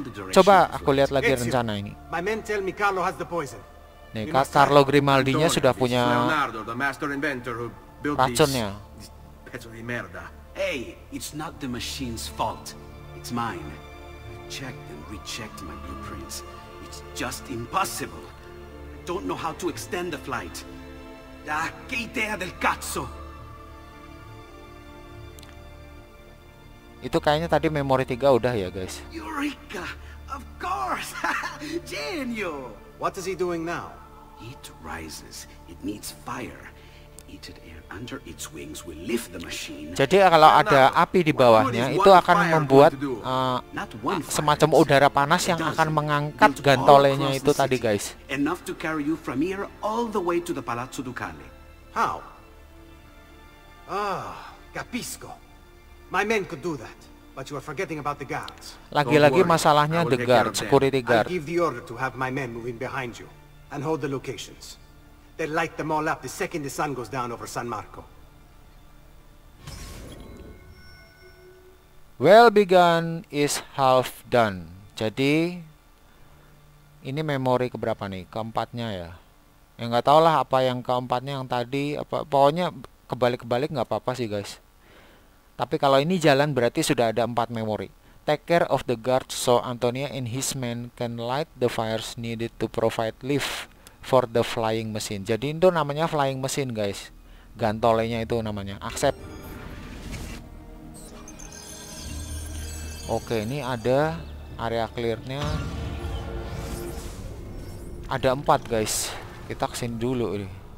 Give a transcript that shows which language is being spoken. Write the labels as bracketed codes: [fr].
[id] Coba aku lihat lagi rencana ini. [en] My men tell me Carlo has the poison. [id] Nih, Carlo Grimaldinya sudah punya [en] Leonardo, the master inventor who built [id] racunnya. [it] Pezzo di merda. [en] Hey, it's not the machine's fault. It's mine. I checked and rechecked my blueprints. It's just impossible. I don't know how to extend the flight. [it] Ah, che idea del cazzo! [id] Itu kayaknya tadi memori 3 udah ya, guys. [en] Eureka! Of course! [it] Genio! [en] What is he doing now? It rises. It needs fire. Heated air. Under its wings will lift the machine. [id] Jadi kalau ada api di bawahnya, itu akan membuat semacam udara panas yang akan mengangkat gantolenya itu tadi, guys. [en] Enough to carry you from here all the way to the Palazzo Ducale. How? [it] Ah, capisco. [en] My men could do that, but you are forgetting about the guards. [id] Lagi-lagi masalahnya [en] the guards, security guard. I'll give the order to have my men move in behind you and hold the locations. They'll light them all up the second the sun goes down over San Marco. Well begun is half done. [id] Jadi ini memori keberapa nih? Keempatnya ya. Ya nggak tahu lah apa yang keempatnya yang tadi. Apa, pokoknya kebalik-kebalik nggak apa-apa sih, guys. Tapi kalau ini jalan berarti sudah ada 4 memori. [en] Take care of the guards so Antonia and his men can light the fires needed to provide lift for the flying machine. [id] Jadi itu namanya flying machine, guys. Gantolenya itu namanya. Accept. Oke, ini ada area clear-nya. Ada 4, guys. Kita kesini dulu nih.